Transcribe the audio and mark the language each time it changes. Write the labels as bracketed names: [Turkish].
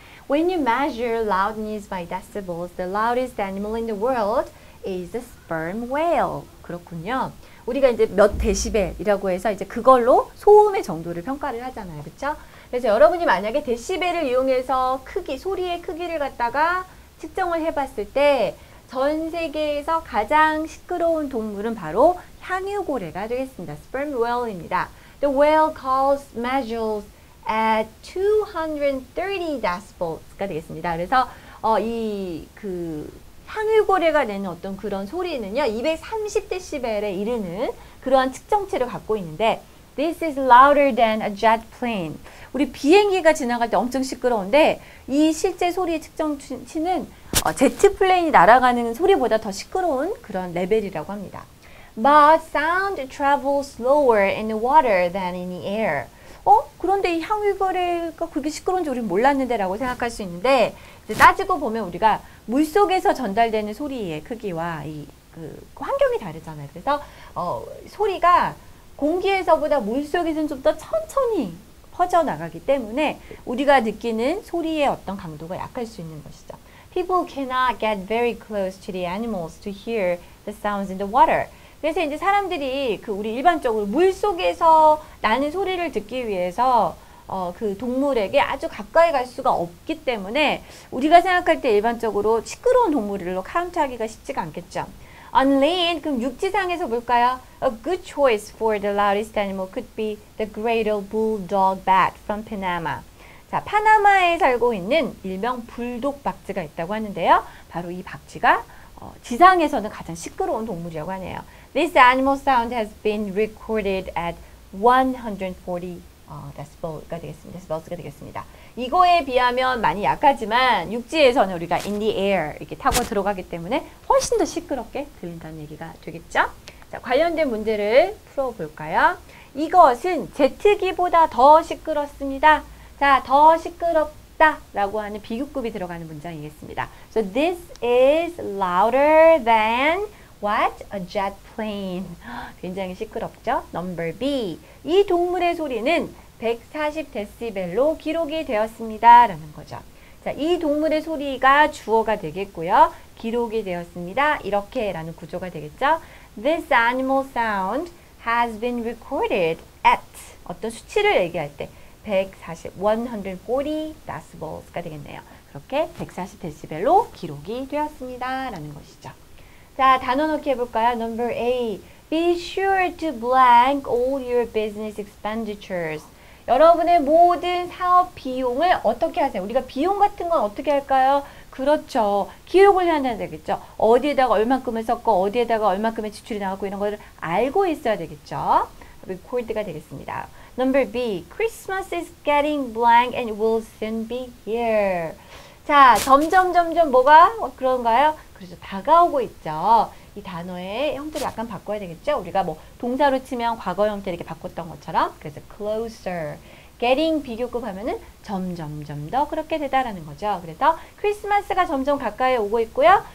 [English] When you measure loudness by decibels, the loudest animal in the world is a sperm whale. [Korean] 그렇군요. 우리가 이제 몇 데시벨이라고 해서 이제 그걸로 소음의 정도를 평가를 하잖아요. 그렇죠? 그래서 여러분이 만약에 데시벨을 이용해서 크기, 소리의 크기를 갖다가 측정을 해봤을 때 전 세계에서 가장 시끄러운 동물은 바로 향유고래가 되겠습니다. [English] Sperm whale입니다. The whale calls measures at 230 decibels가 [Korean] 되겠습니다. 그래서 이 향유고래가 내는 어떤 그런 소리는요. 230dB에 이르는 그러한 측정체를 갖고 있는데 [English] This is louder than a jet plane. [Korean] 우리 비행기가 지나갈 때 엄청 시끄러운데 이 실제 소리의 측정치는 제트플레인이 날아가는 소리보다 더 시끄러운 그런 레벨이라고 합니다. [English] But sound travels slower in the water than in the air. [Korean] 그런데 이 향유고래가 그렇게 시끄러운지 우리는 몰랐는데 라고 생각할 수 있는데 이제 따지고 보면 우리가 물속에서 전달되는 소리의 크기와 이 그 환경이 다르잖아요. 그래서 소리가 공기에서보다 물속에서는 좀 더 천천히 퍼져나가기 때문에 우리가 느끼는 소리의 어떤 강도가 약할 수 있는 것이죠. [English] People cannot get very close to the animals to hear the sounds in the water. [Korean] 그래서 이제 사람들이 그 우리 일반적으로 물 속에서 나는 소리를 듣기 위해서 그 동물에게 아주 가까이 갈 수가 없기 때문에 우리가 생각할 때 일반적으로 시끄러운 동물로 카운트하기가 쉽지가 않겠죠. [English] On land, [Korean] 그럼 육지상에서 볼까요? [English] A good choice for the loudest animal could be the great old bulldog bat from Panama. [Korean] 자, 파나마에 살고 있는 일명 불독 박쥐가 있다고 하는데요. 바로 이 박쥐가 지상에서는 가장 시끄러운 동물이라고 하네요. [English] This animal sound has been recorded at 140 decibels가 [Korean] 되겠습니다. Decibels가 되겠습니다. 이거에 비하면 많이 약하지만 육지에서는 우리가 [English] in the air [Korean] 이렇게 타고 들어가기 때문에 훨씬 더 시끄럽게 들린다는 얘기가 되겠죠? 자, 관련된 문제를 풀어볼까요? 이것은 제트기보다 더 시끄럽습니다. 자, 더 시끄럽다 라고 하는 비교급이 들어가는 문장이겠습니다. [English] So this is louder than what? A jet plane. [Korean] 굉장히 시끄럽죠? [English] Number B. [Korean] 이 동물의 소리는 140dB로 기록이 되었습니다. 라는 거죠. 자, 이 동물의 소리가 주어가 되겠고요. 기록이 되었습니다. 이렇게 라는 구조가 되겠죠. [English] This animal sound has been recorded at [Korean] 어떤 수치를 얘기할 때 140dB가 되겠네요. 그렇게 140dB로 기록이 되었습니다. 라는 것이죠. 자, 단어 넣기 해볼까요? [English] Number A. Be sure to blank all your business expenditures. [Korean] 여러분의 모든 사업 비용을 어떻게 하세요? 우리가 비용 같은 건 어떻게 할까요? 그렇죠. 기록을 해야 되겠죠. 어디에다가 얼만큼을 썼고 어디에다가 얼만큼의 지출이 나왔고 이런 것을 알고 있어야 되겠죠. Record가 되겠습니다. [English] Number B. Christmas is getting blank and will soon be here. [Korean] 자, 점점 뭐가 그런가요? 그렇죠. 다가오고 있죠. 이 단어의 형태를 약간 바꿔야 되겠죠? 우리가 뭐 동사로 치면 과거 형태 이렇게 바꿨던 것처럼 그래서 closer, getting 비교급 하면은 점점 더 그렇게 되다라는 거죠. 그래서 크리스마스가 점점 가까이 오고 있고요.